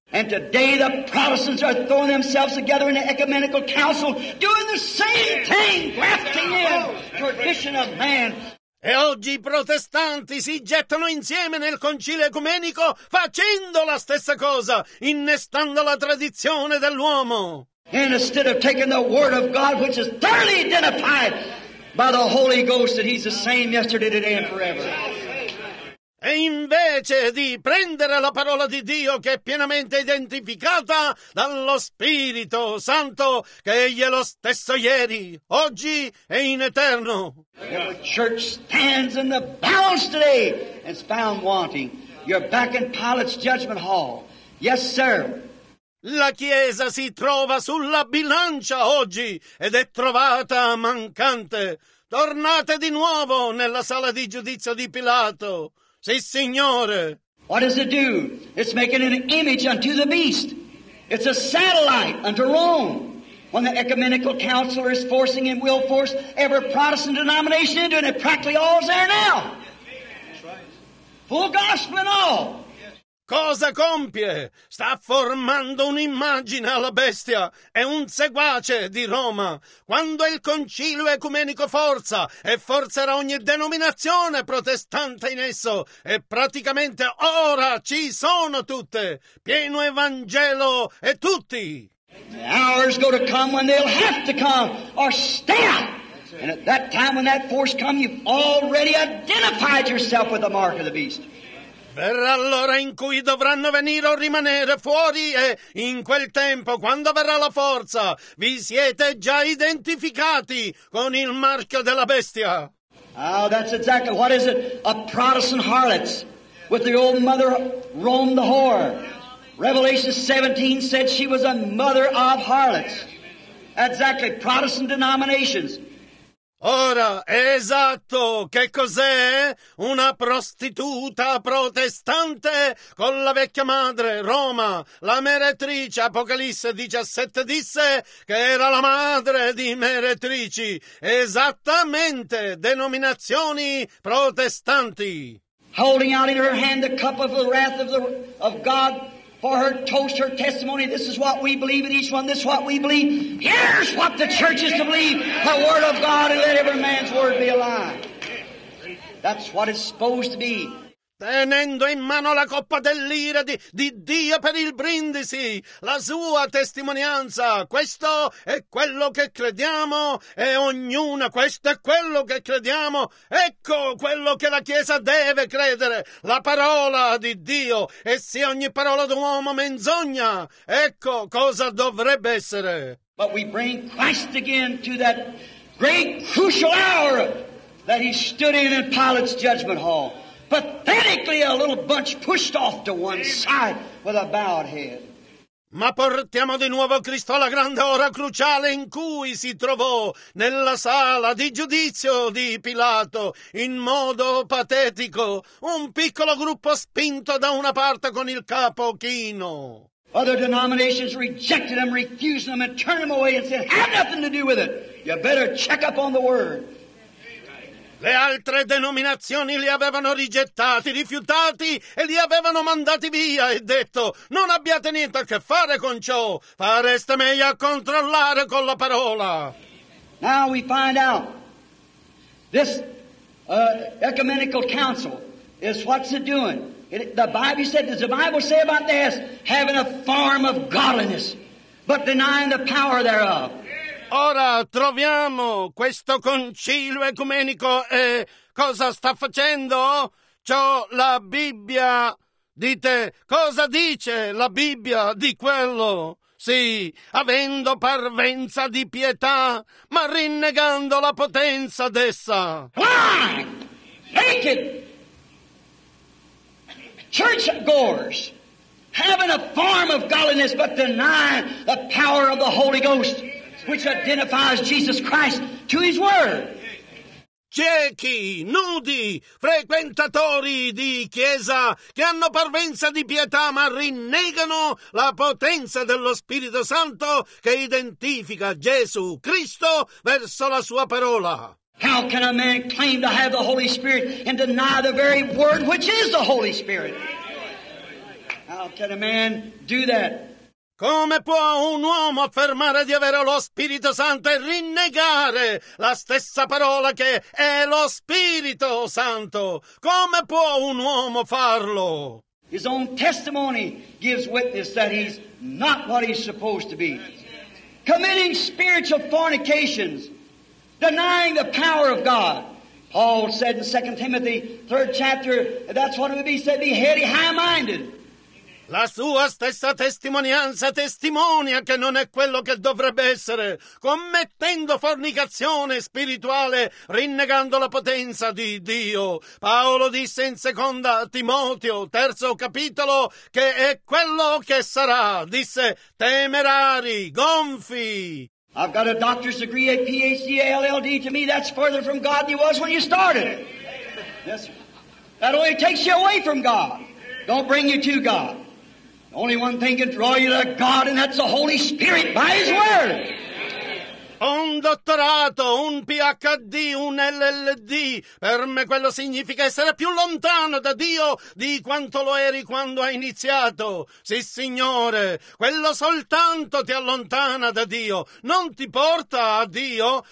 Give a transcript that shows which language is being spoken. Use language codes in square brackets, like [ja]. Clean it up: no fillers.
[en] And today the Protestants are throwing themselves together in an ecumenical council, doing the same thing, grafting in tradition of man. [it] E oggi i protestanti si gettano insieme nel concilio ecumenico facendo la stessa cosa, innestando la tradizione dell'uomo. [en] Instead of taking the word of God, which is thoroughly identified by the Holy Ghost, that he's the same yesterday, today and forever. [it] E invece di prendere la parola di Dio che è pienamente identificata dallo Spirito Santo, che egli è lo stesso ieri, oggi e in eterno. [en] And the church stands in the balance today and is found wanting. You're back in Pilate's judgment hall. Yes, sir. [it] La Chiesa si trova sulla bilancia oggi ed è trovata mancante. Tornate di nuovo nella sala di giudizio di Pilato. Sì, Signore. [en] What does it do? It's making an image unto the beast. It's a satellite unto Rome. When the ecumenical council is forcing and will force every Protestant denomination into it, and practically all is there now. Full gospel and all. [it] Cosa compie? Sta formando un'immagine alla bestia, è un seguace di Roma. Quando il concilio ecumenico forza e forzerà ogni denominazione protestante in esso, e praticamente ora ci sono tutte, pieno Evangelo e tutti. [en] The hours go to come when they'll have to come or stay out. And at that time when that force come, you've already identified yourself with the mark of the beast. [it] Verrà l'ora in cui dovranno venire o rimanere fuori e in quel tempo, quando verrà la forza, vi siete già identificati con il marchio della bestia. [en] Oh, that's exactly, what is it? A Protestant harlot with the old mother Rome the whore. Revelation 17 said she was a mother of harlots. Exactly, Protestant denominations. [it] Ora, esatto, che cos'è? Una prostituta protestante con la vecchia madre, Roma, la meretrice, Apocalisse 17 disse che era la madre di meretrici. Esattamente, denominazioni protestanti. [en] Holding out in her hand the cup of the wrath of God for her toast, her testimony. This is what we believe in each one. This is what we believe. Here's what the church is to believe. The word of God, and let every man's word be a lie. That's what it's supposed to be. [it] Tenendo in mano la coppa dell'ira di Dio per il brindisi, la sua testimonianza. Questo è quello che crediamo, e ognuna, questo è quello che crediamo. Ecco quello che la Chiesa deve credere, la parola di Dio. E se ogni parola d'uomo menzogna, ecco cosa dovrebbe essere. [en] But we bring Christ again to that great crucial hour that he stood in Pilate's judgment hall. Pathetically, a little bunch pushed off to one side with a bowed head. [it] Ma portiamo di nuovo Cristo alla grande ora cruciale in cui si trovò nella sala di giudizio di Pilato, in modo patetico, un piccolo gruppo spinto da una parte con il capo chino. [en] Other denominations rejected them, refused them, and turned them away and said, have nothing to do with it. You better check up on the Word. [it] Le altre denominazioni li avevano rigettati, rifiutati e li avevano mandati via e detto, non abbiate niente a che fare con ciò, fareste meglio a controllare con la parola. [en] Now we find out, this ecumenical council is what's it doing? Does the Bible say about this, having a form of godliness, but denying the power thereof? [it] Ora troviamo questo concilio ecumenico e cosa sta facendo? Ciò la Bibbia, dite, cosa dice la Bibbia di quello? Sì, avendo parvenza di pietà, ma rinnegando la potenza d'essa. [en] Why? Naked churchgoers, having a form of godliness, but denying the power of the Holy Ghost, which identifies Jesus Christ to His Word. [it] Ciechi, nudi, frequentatori di chiesa che hanno parvenza di pietà ma rinnegano la potenza dello Spirito Santo che identifica Gesù Cristo verso la Sua parola. [en] How can a man claim to have the Holy Spirit and deny the very Word which is the Holy Spirit? How can a man do that? [it] Come può un uomo affermare di avere lo Spirito Santo e rinnegare la stessa parola che è lo Spirito Santo? Come può un uomo farlo? [en] His own testimony gives witness that he's not what he's supposed to be. Committing spiritual fornications, denying the power of God. Paul said in 2 Timothy 3 chapter, that's what it would be, said, be heady, high-minded. [it] La sua stessa testimonianza testimonia che non è quello che dovrebbe essere, commettendo fornicazione spirituale, rinnegando la potenza di Dio. Paolo disse in seconda Timoteo, terzo capitolo, che è quello che sarà. Disse, temerari, gonfi. [en] I've got a doctor's degree, a PhD, a LLD. To me, that's further from God than it was when you started. Yes, that only takes you away from God. Don't bring you to God. Only one thing can draw you to God, and that's the Holy Spirit by His Word. [it] Un dottorato, un PhD, un LLD, per me quello significa essere più lontano da Dio di quanto lo eri quando hai iniziato. Sì, Signore, quello soltanto ti allontana da Dio, non ti porta a Dio.